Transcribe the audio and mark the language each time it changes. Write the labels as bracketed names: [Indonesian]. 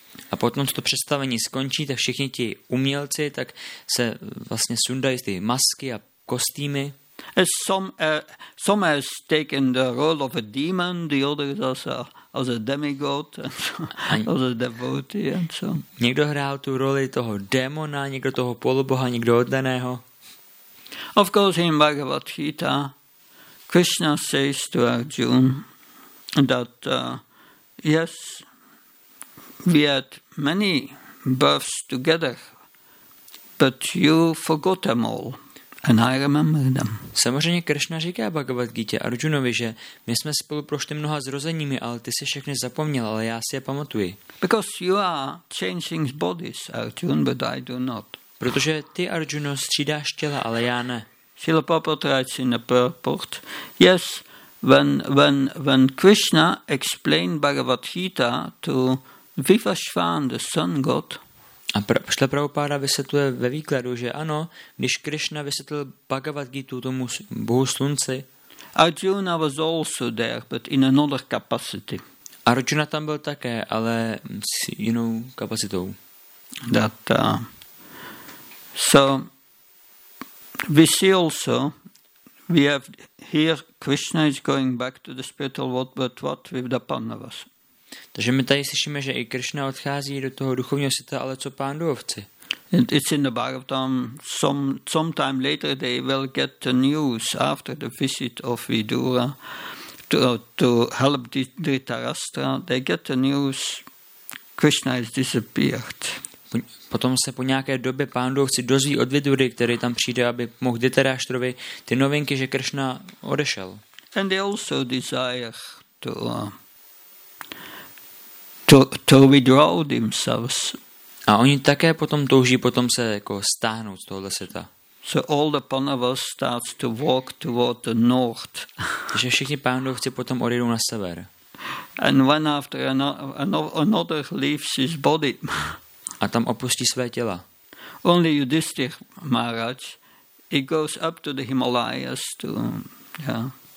[Czech] A potom, co to představení skončí, tak všichni ti umělci tak se vlastně sundají ty masky a kostýmy. [English] Some has taken the role of a demon, the others as a demigod, as a devotee and so. [Czech] Někdo hrál tu roli toho démona, někdo toho poloboha, někdo oddaného. [English] Of course, in Bhagavad Gita, Krishna says to Arjuna that yes, we had many births together, but you forgot them all. And I remember them. [Czech] Samozřejmě Krishna říká Bhagavad Gita Arjunovi, že my jsme spolu prošli mnoha zrozeními, ale ty si všechny zapomněl, ale já si je pamatuji. [English] Because you are changing bodies, Arjuna, but I do not. [Czech] Protože ty, Arjuna, střídáš těla, ale já ne. [English] Srila Prabhupada writes in the purport. Yes, when Krishna explained Bhagavad Gita to Vivashvan, the sun god. [Czech] A Šla Prabhupáda vysvětluje ve výkladu, že ano, když Krishna vysvětlil Bhagavad Gita tomu bohu slunci. [English] Arjuna was also there, but in another capacity. [Czech] Arjuna tam byl také, ale s jinou kapacitou. [English] That, so we see also, we have here Krishna is going back to the spiritual world, but what with the Pandavas? [Czech] Takže my tady slyšíme, že i Krishna odchází do toho duchovního světa, ale co pánduovci? [English] It's in the Bhagavatam. Sometime later they will get the news after the visit of Vidura to help Dhritarashtra. They get the news Krishna has disappeared. [Czech] Potom se po nějaké době pánduovci dozví od Vidury, který tam přijde, aby mohl Dhritarashtrovi ty novinky, že Krishna odešel. [English] And they also desire to withdraw themselves. [Czech] A oni také potom touží potom se jako stáhnout z tohoto světa. [English] So all the Pandavas start to walk toward the north. [Czech] Takže všichni pánovci potom odjedou na sever. [English] And one after another leaves his body. [Czech] A tam opustí své těla. [English] Only Yudhisthira Maharaj, he goes up to the Himalayas to, yeah.